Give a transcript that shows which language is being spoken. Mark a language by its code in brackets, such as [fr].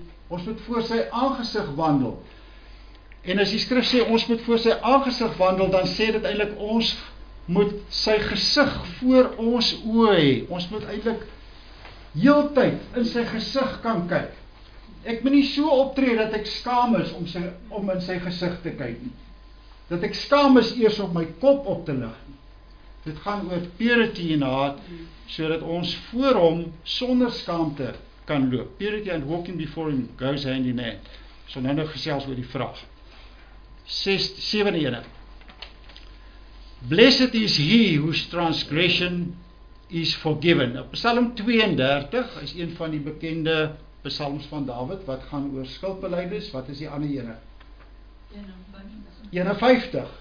[af] Ons moet voor sy aangesig wandel. En as die skrif sê ons moet voor sy aangesig wandel, dan sê dit eintlik ons moet sy gesig voor ons oë hê. Ons moet eintlik heeltyd in sy gesig kan kyk. Ek moet nie so optree dat ek skaam is om sy om in sy gesig te kyk nie. Dat ek skaam is eers om my kop op te lig. Dit gaan oor purity en haat sodat ons voor hom sonder skaamte kan loop. [en] Purity and walking before him goes hand in hand. [af] So nou gesels oor die vraag. [en] 7:1. Blessed is he whose transgression is forgiven. [af] Psalm 32 is een van die bekende psalms van David wat gaan oor skuldbelydenis. Wat is die ander ene? 51.